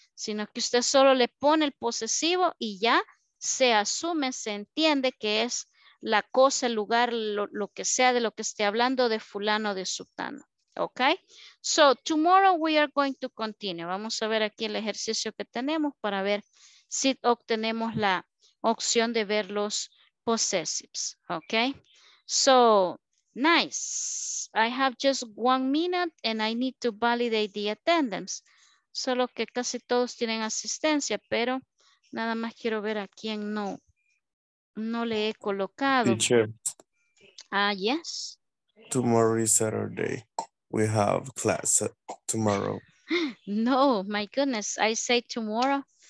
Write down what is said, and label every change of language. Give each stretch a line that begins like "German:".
Spanish: Sino que usted solo le pone el posesivo y ya se asume, se entiende que es la cosa, el lugar, lo que sea de lo que esté hablando de fulano, de sultano.
English: Ok, so tomorrow we are going to continue.
Spanish: Vamos a ver aquí el ejercicio que tenemos para ver si obtenemos la opción de ver los possessives.
English: Ok, so nice. I have just 1 minute and I need to validate the attendance.
Spanish: Solo que casi todos tienen asistencia, pero nada más quiero ver a quién no le he colocado.
English: Teacher. Yes. Tomorrow is Saturday. We have class tomorrow. No, my goodness, I say tomorrow.